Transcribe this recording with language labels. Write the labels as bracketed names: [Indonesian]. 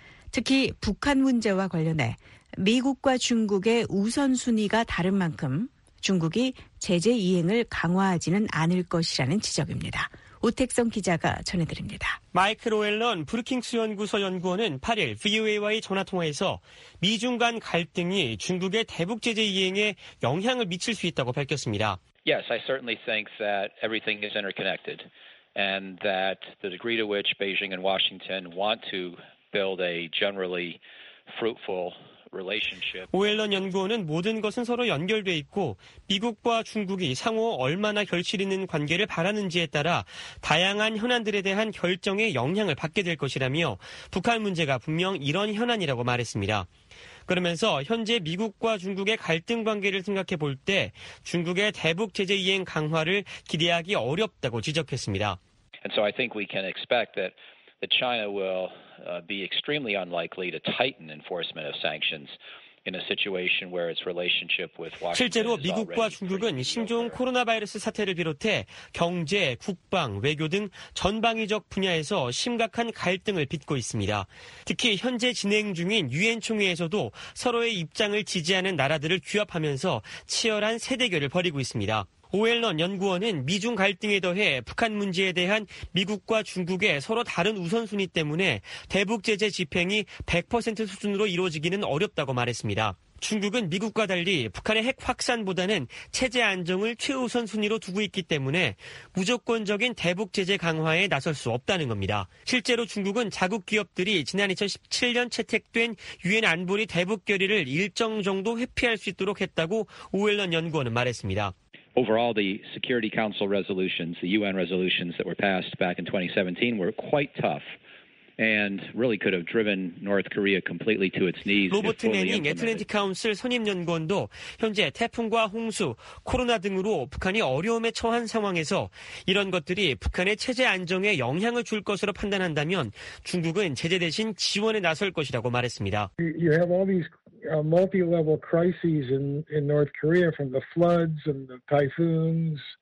[Korean] 특히 북한 문제와 관련해 미국과 중국의 우선순위가 다른 만큼 중국이 제재 이행을 강화하지는 않을 것이라는 지적입니다. 오택성 기자가 전해드립니다. 마이클 오웰런 브루킹스 연구소 연구원은 8일 VOA와의 전화통화에서 미중 간 갈등이 중국의 대북 제재 이행에 영향을 미칠 수 있다고 밝혔습니다. [English] Yes, I certainly think that everything is interconnected and that the degree to which Beijing and Washington want to build a generally fruitful [Korean] 오웰런 연구원은 모든 것은 서로 연결돼 있고 미국과 중국이 상호 얼마나 결실 있는 관계를 바라는지에 따라 다양한 현안들에 대한 결정에 영향을 받게 될 것이라며 북한 문제가 분명 이런 현안이라고 말했습니다. 그러면서 현재 미국과 중국의 갈등 관계를 생각해 볼 때 중국의 대북 제재 이행 강화를 기대하기 어렵다고 지적했습니다. [English] And so I think we can expect that China will be extremely unlikely to tighten enforcement of sanctions in a situation where its relationship with Washington is already pretty severe. [Korean] 실제로 미국과 중국은 신종 코로나 바이러스 사태를 비롯해 경제, 국방, 외교 등 전방위적 분야에서 심각한 갈등을 빚고 있습니다. 특히 현재 진행 중인 유엔 총회에서도 서로의 입장을 지지하는 나라들을 규합하면서 치열한 세대결을 벌이고 있습니다. 오웰런 연구원은 미중 갈등에 더해 북한 문제에 대한 미국과 중국의 서로 다른 우선순위 때문에 대북 제재 집행이 100% 수준으로 이루어지기는 어렵다고 말했습니다. 중국은 미국과 달리 북한의 핵 확산보다는 체제 안정을 최우선순위로 두고 있기 때문에 무조건적인 대북 제재 강화에 나설 수 없다는 겁니다. 실제로 중국은 자국 기업들이 지난 2017년 채택된 유엔 안보리 대북 결의를 일정 정도 회피할 수 있도록 했다고 오웰런 연구원은 말했습니다. [English] Overall, the Security Council resolutions, the UN resolutions that were passed back in 2017 were quite tough and really could have driven North Korea completely to its knees. [Korean] 로버트 매닝 애틀랜틱 카운슬 선임 연구원도 현재 태풍과 홍수, 코로나 등으로 북한이 어려움에 처한 상황에서 이런 것들이 북한의 체제 안정에 영향을 줄 것으로 판단한다면 중국은 제재 대신 지원에 나설 것이라고 말했습니다. [English] You have all these multi-level crises in North Korea from the floods and the typhoons.